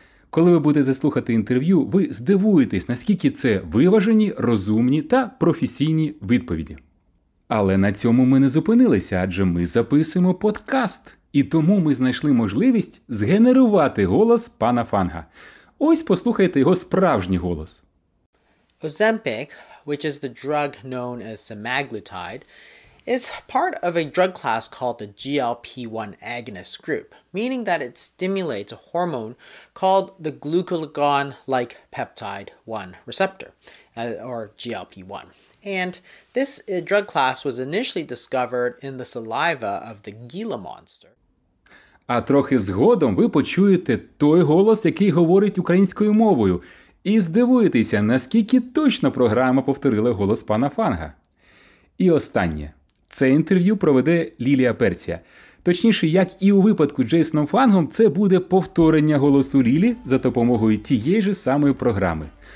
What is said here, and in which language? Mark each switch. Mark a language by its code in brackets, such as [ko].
[uk] Коли ви будете слухати інтерв'ю, ви здивуєтесь, наскільки це виважені, розумні та професійні відповіді. Але на цьому ми не зупинилися, адже ми записуємо подкаст. І тому ми знайшли можливість згенерувати голос пана Фанга. Ось послухайте його справжній голос. [en] Ozempic, which is the drug known as semaglutide, is part of a drug class called the GLP-1 agonist group, meaning that it stimulates a hormone called the glucagon-like peptide 1 receptor, or GLP-1. And this drug class was initially discovered in the saliva of the Gila monster. [uk] А трохи згодом ви почуєте той голос, який говорить українською мовою, і здивуєтеся, наскільки точно програма повторила голос пана Фанга. І останнє. Це інтерв'ю проведе Лілія Перція. Точніше, як і у випадку з Джейсоном Фангом, це буде повторення голосу Лілі за допомогою тієї ж самої програми.